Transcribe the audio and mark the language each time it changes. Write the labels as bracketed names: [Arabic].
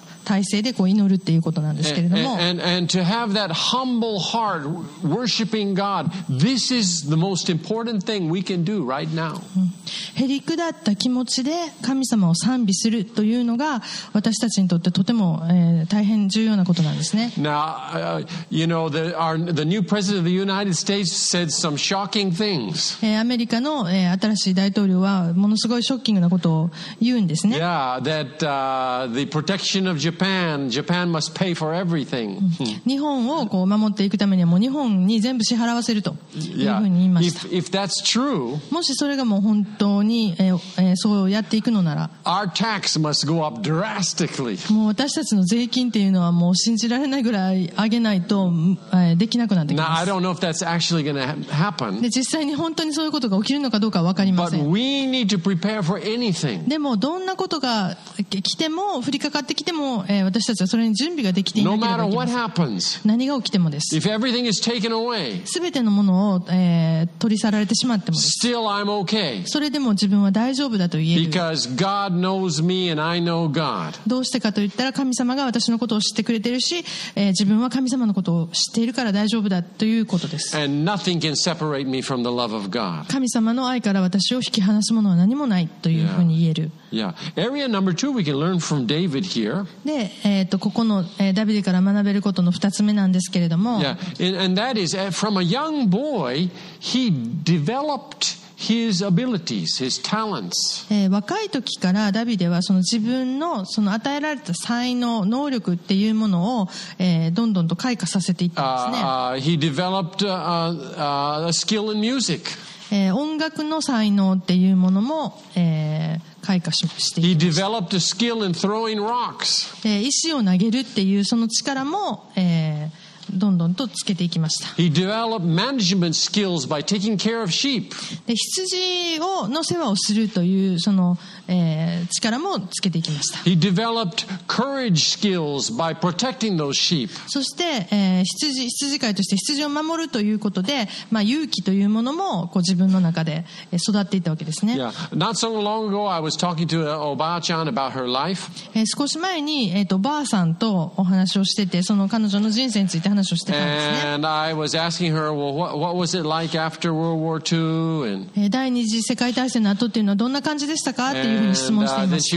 [Japanese] 体制でこう祈るっていうことなんですけれども、 [English] and to have that humble heart worshiping God, this is the most important thing we can do right now. [Japanese] へりくだった気持ちで神様を賛美するというのが私たちにとってとても、大変重要なことなんですね。 [English] Now, you know, the new president of the United States said some shocking things. [Japanese] アメリカの新しい大統領はものすごいショッキングなことを言うんですね。 [English] Yeah, that the protection of Japan must pay for everything. [Japanese] 日本をこう守っていくためにはもう日本に全部支払わせるというふうに言いました。 [English] Yeah, if that's true, [Japanese] もしそれがもう本当に、そうやっていくのなら、 [English] our tax must go up drastically. [Japanese] もう私たちの税金っていうのはもう信じられないぐらい上げないと、できなくなってきます。 [English] Now, I don't know if that's actually going to happen. [Japanese] で実際に本当にそういうことが起きるのかどうかは分かりません。 [English] But we need to prepare for anything. [Japanese] でもどんなことが来ても降りかかってきても、私たちはそれに準備ができていなければいけません。 [English] No matter what happens, [Japanese] 何が起きてもです。 [English] If everything is taken away, [Japanese] 全てのものを、取り去られてしまってもです [English] 。 Still, I'm okay. [Japanese] それでも自分は大丈夫だと言える。 [English] Because God knows me and I know God. [Japanese] どうしてかといったら神様が私のことを知ってくれてるし、自分は神様のことを知っているから大丈夫だということです。 [English] And nothing can separate me from the love of God. [Japanese] 神様の愛から私を引き離すものは何もないというふうに言える。 [English] Yeah. Area number two, we can learn from David here. [Japanese] で、ここの、ダビデから学べることの二つ目なんですけれども。 [English] Yeah. And that is, from a young boy, he developed his abilities, his talents. [Japanese] 若い時からダビデはその自分のその与えられた才能、能力っていうものを、どんどんと開花させていったんですね。 [English] He developed a skill in music. [Japanese] 音楽の才能っていうものも、開花していました。 [English] He developed a skill in throwing rocks. [Japanese] 石を投げるっていうその力も、どんどんとつけていきました。 [English] He developed management skills by taking care of sheep. [Japanese] 羊の世話をするというその、力もつけていきました。 [English] He developed courage skills by protecting those sheep. [Japanese] そして、羊飼いとして羊を守るということで、まあ、勇気というものもこう自分の中で育っていたわけですね。 [English] Yeah. Not so long ago, I was talking to Oba-chan about her life. [Japanese] 少し前に、おばあさんとお話をしてて、その彼女の人生について話をしてたんですね。 [English] And I was asking her, well, what was it like after World War II? [Japanese] 第二次世界大戦の後っていうのはどんな感じでしたかっていうふうに質問していました。